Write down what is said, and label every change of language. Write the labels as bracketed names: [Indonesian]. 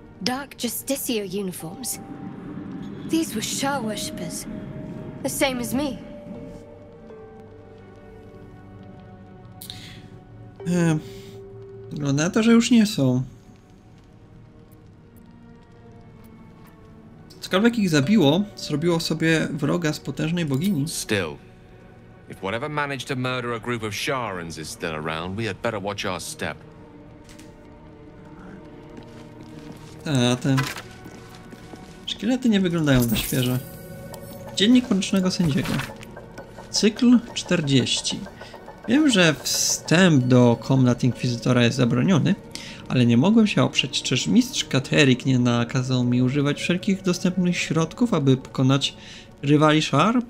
[Polish] Dark Justicia uniformy. To były Shar-worshippers. Tak samo jak ja. Wygląda na to, że już nie są. Cokolwiek ich zabiło, zrobiło sobie wroga z potężnej bogini. [English] Still, if whatever managed to murder a group of Sharans is still around, we had better watch our step. [Polish] Te szkielety nie wyglądają na świeże. Dziennik Mrocznego Sędziego. Cykl 40. Wiem, że wstęp do komnat Inkwizytora jest zabroniony, ale nie mogłem się oprzeć, czyż mistrz Kateryk nie nakazał mi używać wszelkich dostępnych środków, aby pokonać rywali Shar?